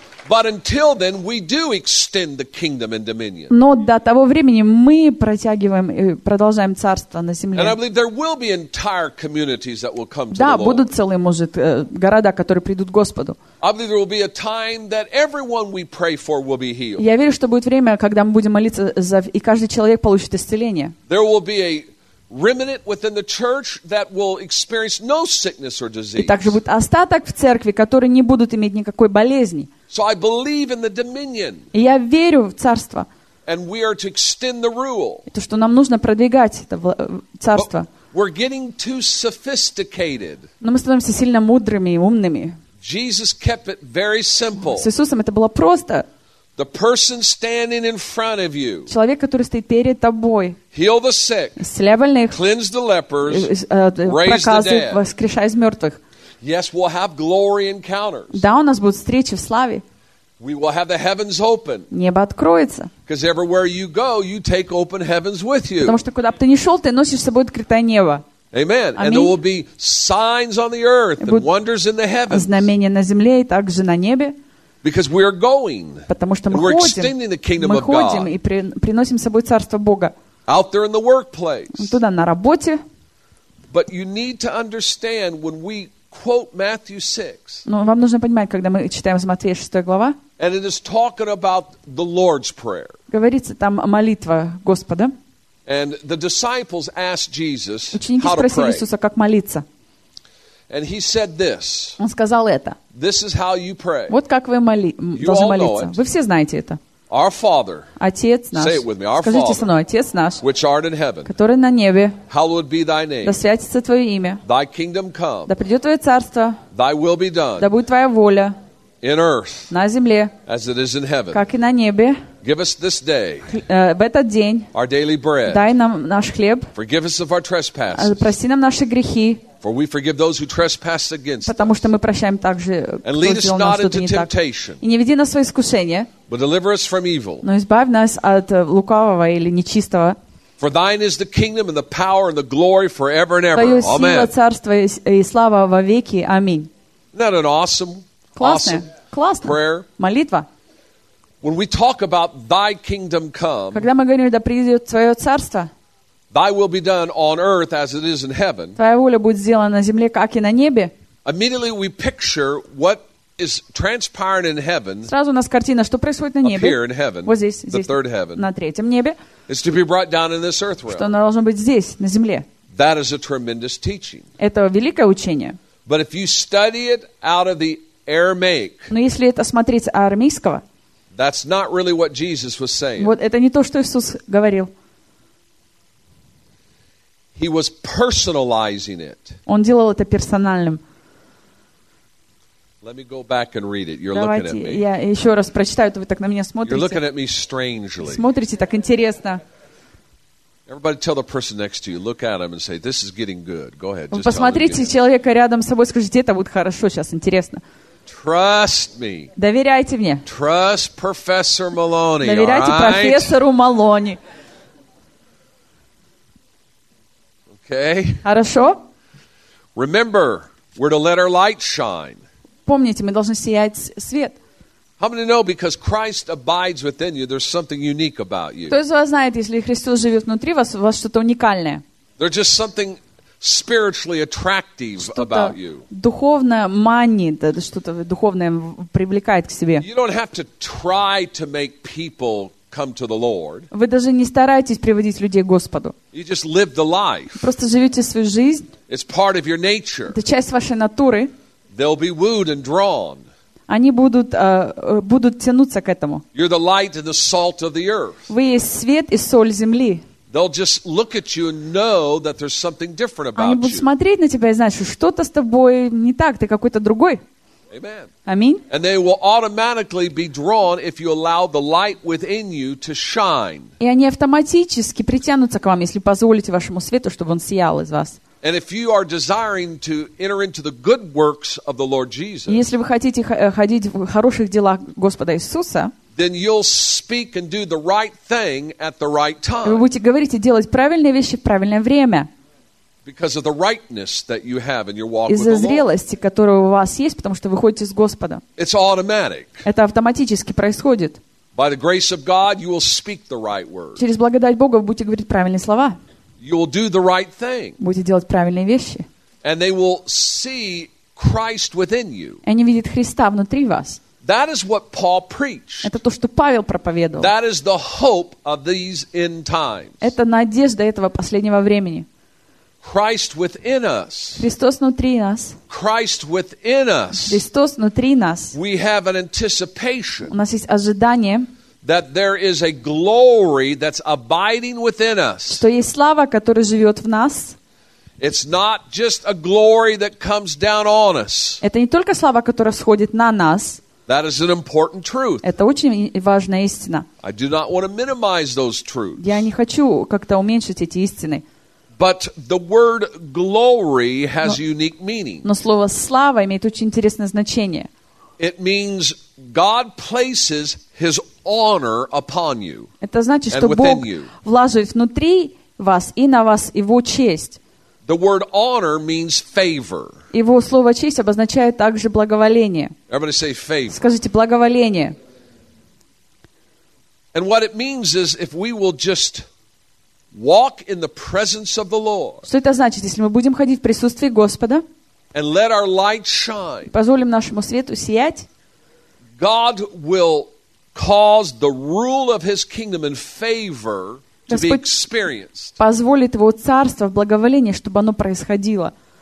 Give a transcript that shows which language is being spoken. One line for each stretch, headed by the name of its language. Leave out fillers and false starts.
English: But until then, we do extend the kingdom and dominion.
Russian: Но до того времени мы протягиваем и продолжаем царство на земле.
English: And I believe there will be entire communities that will come to the Lord.
Russian: Да, будут целые, может, города, которые придут к Господу.
English: I believe there will be a time that everyone we pray for will be healed.
Russian: Я верю, что будет время, когда мы будем молиться за и каждый человек получит исцеление.
English: There will be a remnant within the church that will experience no sickness or disease.
Russian: И также будет остаток в церкви, которые не будут иметь никакой болезни.
English: So I believe in the dominion.
Russian: И я верю в царство.
English: And we are to extend the rule.
Russian: И то, что нам нужно продвигать это царство.
English: But we're getting too sophisticated.
Russian: Но мы становимся сильно мудрыми и умными.
English: Jesus kept it very simple.
Russian: С Иисусом это было просто.
English: The person standing in front of you.
Russian: Человек, который стоит перед тобой.
English: Heal the sick.
Russian: Исцеляй больных.
English: Cleanse the lepers.
Russian: Проказы, воскрешай из мертвых.
English: Yes, we'll have glory encounters.
Russian: Да, у нас будут встречи в славе.
English: We will have the heavens open.
Russian: Небо откроется.
English: Because everywhere you go, you take open heavens with you.
Russian: Потому что куда бы ты ни шел, ты носишь с собой открытое небо.
English: Amen. And there will be signs on the earth and wonders in the heavens.
Russian: Знамения на земле и также на небе.
English: Because we are going.
Russian: Потому что мы ходим.
English: We're extending the kingdom of God.
Russian: Мы ходим и приносим с собой царство Бога.
English: Out there in the workplace.
Russian: Туда, на работе.
English: But you need to understand when we quote Matthew 6.
Russian: Но вам нужно понимать, когда мы читаем из Матфея 6 глава.
English: And it is talking about the Lord's Prayer.
Russian: Говорится там о молитве Господа.
English: And the disciples asked Jesus how to
Russian: Ученики спросили Иисуса, как молиться.
English: And he said this.
Russian: Он сказал это.
English: This is how you pray.
Russian: Вот как вы должны молиться. Вы все знаете это.
English: Our Father.
Russian: Отец наш.
English: Say it with me. Our Father.
Russian: Скажите со мной, Отец наш.
English: Which art in heaven.
Russian: Который на небе.
English: Hallowed be thy name.
Russian: Да святится твое имя.
English: Thy kingdom come.
Russian: Да придет твое царство.
English: Thy will be done.
Russian: Да будет твоя воля.
English: In earth.
Russian: На земле.
English: As it is in heaven.
Russian: Как и на небе.
English: Give us this day.
Russian: В этот день.
English: Our daily bread.
Russian: Дай нам наш хлеб.
English: Forgive us of our trespasses.
Russian: Прости нам наши грехи.
English: For we forgive those who trespass against us.
Russian: Потому что мы прощаем также,
English: and lead us not into temptation.
Russian: И не веди нас во искушение.
English: But deliver us from evil.
Russian: Но избавь нас от лукавого или нечистого.
English: For thine is the kingdom and the power and the glory forever and ever.
Russian: Твоя сила, царство и слава во веки. Аминь.
English: Isn't that an awesome,
Russian: классная,
English: prayer?
Russian: Молитва.
English: When we talk about thy kingdom come.
Russian: Когда мы говорим, да придет твое царство.
English: Thy will be done on earth as it is in heaven.
Russian: Твоя воля будет сделана на земле, как и на небе.
English: Immediately we picture what is transpiring in heaven.
Russian: Сразу у нас картина, что происходит на небе.
English: Up here in heaven.
Russian: Вот здесь,
English: the third heaven.
Russian: На третьем небе.
English: It's to be brought down in this earth realm.
Russian: Что оно должно быть здесь, на земле.
English: That is a tremendous teaching.
Russian: Это великое учение.
English: But if you study it out of the Aramaic.
Russian: Но если это смотреть арамейского.
English: That's not really what Jesus was saying.
Russian: Вот это не то, что Иисус говорил.
English: He was personalizing it.
Russian: Он делал это персональным.
English: Let me go back and read it. You're
Russian: Давайте
English: looking at me.
Russian: Я еще раз прочитаю, то вы так на меня смотрите.
English: You're looking at me strangely.
Russian: Смотрите так интересно.
English: Everybody tell the person next to you, look at him and say, this is getting good. Go ahead. Just
Russian: посмотрите человека рядом с собой, скажите, это будет хорошо сейчас, интересно.
English: Trust me.
Russian: Доверяйте мне.
English: Trust Professor Maloney.
Russian: Доверяйте
English: all right?
Russian: профессору Малони. Хорошо.
English: Remember, we're to let our light shine.
Russian: Помните, мы должны сиять свет.
English: How many know because Christ abides within you, there's something unique about you?
Russian: Кто из вас знает, если Христос живет внутри вас, у вас что-то уникальное?
English: There's just something spiritually attractive about you.
Russian: Что-то духовное манит, что-то духовное привлекает к себе.
English: You don't have to try to make people come to the Lord.
Russian: Вы даже не стараетесь приводить людей к Господу.
English: You just live the life.
Russian: Просто живете свою жизнь.
English: It's part of your nature.
Russian: Это часть вашей натуры.
English: They'll be wooed and drawn.
Russian: Они будут будут тянуться к этому.
English: You're the light and the salt of the earth.
Russian: Вы есть свет и соль земли.
English: They'll just look at you and know that there's something different about you.
Russian: Они будут смотреть на тебя и знать, что что-то с тобой не так, ты какой-то другой.
English: Amen. And they will automatically be drawn if you allow the light within you to shine.
Russian: И они автоматически притянутся к вам, если позволите вашему свету, чтобы он сиял из вас.
English: And if you are desiring to enter into the good works of the Lord Jesus, then you'll speak and do the right thing at the right time.
Russian: Вы будете говорить и делать правильные вещи в правильное время.
English: Because of the rightness that you have in your walk with the Lord.
Russian: Из-за зрелости, которая у вас есть, потому что вы ходите с Господом.
English: It's automatic.
Russian: Это автоматически происходит.
English: By the grace of God, you will speak the right words.
Russian: Через благодать Бога вы будете говорить правильные слова.
English: You will do the right thing.
Russian: Будете делать правильные вещи.
English: And they will see Christ within you.
Russian: Они видят Христа внутри вас.
English: That is what Paul preached.
Russian: Это то, что Павел проповедовал.
English: That is the hope of these end times.
Russian: Это надежда этого последнего времени.
English: Christ within us.
Russian: Христос внутри нас.
English: Christ within us.
Russian: Христос внутри нас.
English: We have an anticipation.
Russian: У нас есть ожидание.
English: That there is a glory that's abiding within us.
Russian: Что есть слава, которая живет в нас.
English: It's not just a glory that comes down on us.
Russian: Это не только слава, которая сходит на нас.
English: That is an important truth.
Russian: Это очень важная истина.
English: I do not want to minimize those truths.
Russian: Я не хочу как-то уменьшить эти истины.
English: But the word glory has a unique meaning.
Russian: Но слово слава имеет очень интересное значение.
English: It means God places His honor upon you.
Russian: Это значит, что Бог вложит внутри вас и на вас Его честь.
English: The word honor means favor.
Russian: Его слово честь обозначает также благоволение.
English: Everybody say favor.
Russian: Скажите благоволение.
English: And what it means is if we will just walk in the presence of the Lord.
Russian: Что это значит, если мы будем ходить в присутствии Господа?
English: And let our light shine.
Russian: Позволим нашему свету сиять.
English: God will cause the rule of His kingdom in favor to be experienced.
Russian: Позволит его царство в благоволении, чтобы оно происходило.